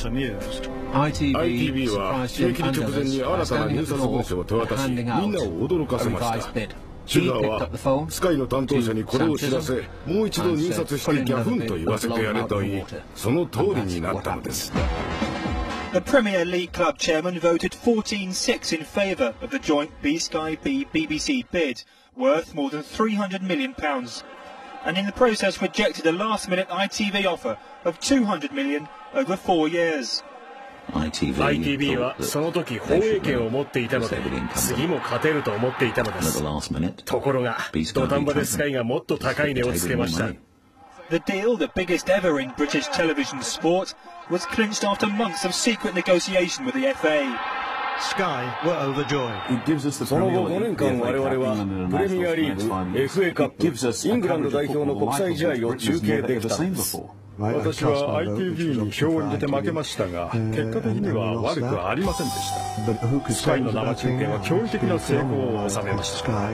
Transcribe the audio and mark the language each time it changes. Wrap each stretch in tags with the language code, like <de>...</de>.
<ja>ITV は締め切り直前に新たな入札文書を手渡し、みんなを驚かせました。シュガーはスカイの担当者にこれを知らせ、もう一度入札してギャフンと言わせてやれと言い、その通りになったのです。</ja> <en>The Premier League club chairman voted 14-6 in favour of the joint B-Sky B-BBC bid, worth more than £300 million, and in the process rejected a last-minute ITV offer of £200 million over 4 years.</en> <ja>ITV はその時放映権を持っていたので、次も勝てると思っていたのです。ところが、土壇場でスカイがもっと高い値をつけました。</ja> <en>The deal, the biggest ever in British television sport, was clinched after months of secret negotiation with the FA. Sky were overjoyed.</en> <ja>その後5年間、我々はプレミアリーグ、FA カップ、イングランド代表の国際試合を中継できたんです。私は ITV に票を入れて負けましたが、結果的には悪くはありませんでした。 Sky の生中継は驚異的な成功を収めました。</ja>